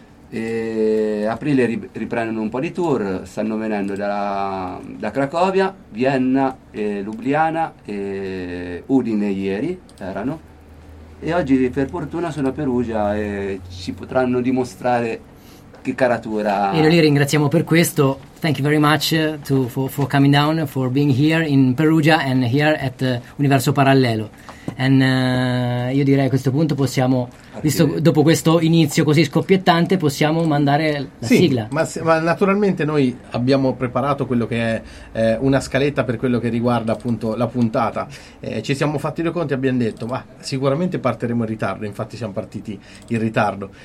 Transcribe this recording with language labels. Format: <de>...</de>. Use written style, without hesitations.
<it>E aprile riprendono un po' di tour, stanno venendo da Cracovia, Vienna, Lubliana e Udine ieri erano, e oggi per fortuna sono a Perugia e ci potranno dimostrare che caratura. E noi li ringraziamo per questo.</it> <en>Thank you very much for coming down, for being here in Perugia and here at Universo Parallelo.</en> <it>Io direi a questo punto possiamo, visto dopo questo inizio così scoppiettante, possiamo mandare la sigla. Ma naturalmente noi abbiamo preparato quello che è una scaletta per quello che riguarda appunto la puntata. Ci siamo fatti due conti e abbiamo detto ma sicuramente partiremo in ritardo, infatti siamo partiti in ritardo.</it>